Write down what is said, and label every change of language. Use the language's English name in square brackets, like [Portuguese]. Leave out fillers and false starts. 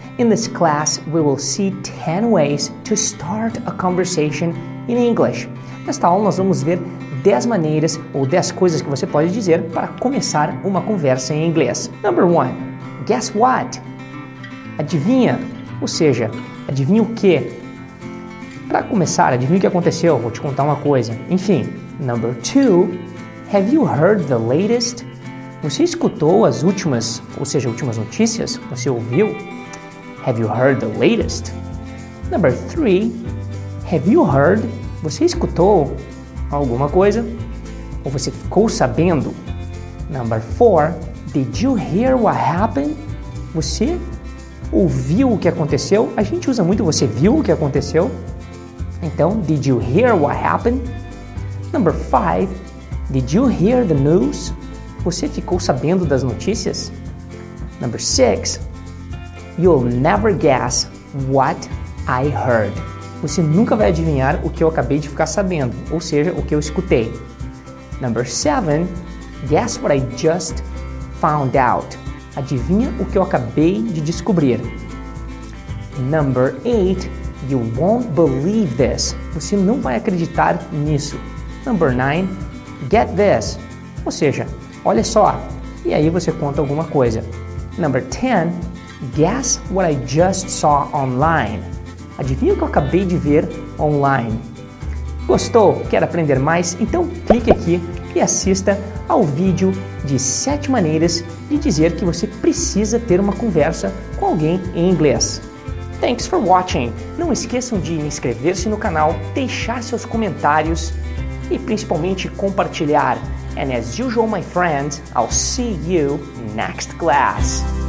[English] In this class, we will see 10 ways to start a conversation in English. [Portuguese] Nesta aula, nós vamos ver 10 maneiras ou 10 coisas que você pode dizer para começar uma conversa em inglês. [English] Number 1. Guess what? [Portuguese] Adivinha? Ou seja, adivinha o quê? Para começar, adivinha o que aconteceu? Vou te contar uma coisa. Enfim. [English] Number 2. Have you heard the latest? [Portuguese] Você escutou as últimas, ou seja, últimas notícias? Você ouviu? [English] Have you heard the latest? Number 3. Have you heard? [Portuguese] Você escutou alguma coisa? Ou você ficou sabendo? [English] Number 4. Did you hear what happened? [Portuguese] Você ouviu o que aconteceu? A gente usa muito você viu o que aconteceu. Então, [English] did you hear what happened? Number 5. Did you hear the news? [Portuguese] Você ficou sabendo das notícias? [English] Number 6. You'll never guess what I heard. [Portuguese] Você nunca vai adivinhar o que eu acabei de ficar sabendo, ou seja, o que eu escutei. [English] Number 7. Guess what I just found out. [Portuguese] Adivinha o que eu acabei de descobrir. [English] Number 8. You won't believe this. [Portuguese] Você não vai acreditar nisso. [English] Number 9. Get this. [Portuguese] Ou seja, olha só. E aí você conta alguma coisa. [English] Number 10. Guess what I just saw online. [Portuguese] Adivinha o que eu acabei de ver online. Gostou? Quer aprender mais? Então clique aqui e assista ao vídeo de 7 maneiras de dizer que você precisa ter uma conversa com alguém em inglês. [English] Thanks for watching. [Portuguese] Não esqueçam de inscrever-se no canal, deixar seus comentários e principalmente compartilhar. [English] And as usual, my friends, I'll see you next class.